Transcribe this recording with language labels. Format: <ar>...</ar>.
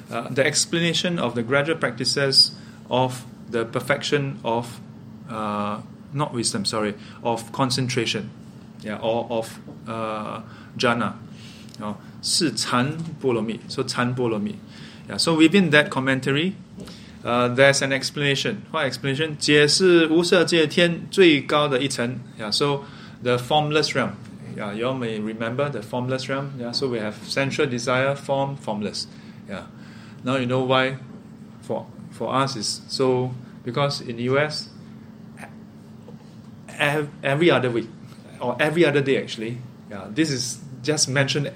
<en>the explanation of the gradual practices of the perfection of not wisdom, sorry, of concentration, yeah, or of jhana. You know,</en> <zh>是禅波罗蜜,</zh> <en>so 禅波罗蜜.Yeah, so within that commentary, there's an explanation. What explanation?</en> <zh>解释无色界天最高的一层.</zh> <en>Yeah, so the formless realm. Yeah, you all may remember the formless realm. Yeah, so we have sensual desire, form, formless. Yeah, now you know why. For us is so because in US, every other week or every other day actually, yeah, this is just mentioned.</en>